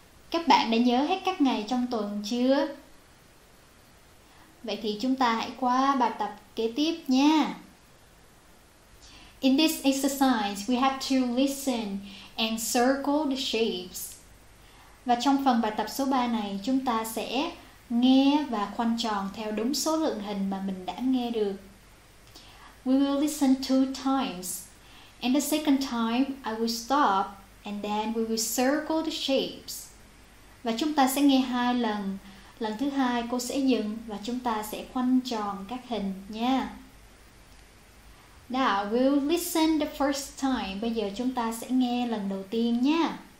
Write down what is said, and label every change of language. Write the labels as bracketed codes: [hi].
[vi] Các bạn đã nhớ hết các ngày trong tuần chưa? Vậy thì chúng ta hãy qua bài tập kế tiếp nha. [en] In this exercise, we have to listen and circle the shapes. [vi] Và trong phần bài tập số 3 này, chúng ta sẽ nghe và khoanh tròn theo đúng số lượng hình mà mình đã nghe được. [en] We will listen two times. And the second time, I will stop And then we will circle the shapes. [vi] Và chúng ta sẽ nghe hai lần. Lần thứ hai cô sẽ dừng và chúng ta sẽ khoanh tròn các hình nha. [en] Now we'll listen the first time. [vi] Bây giờ chúng ta sẽ nghe lần đầu tiên nha.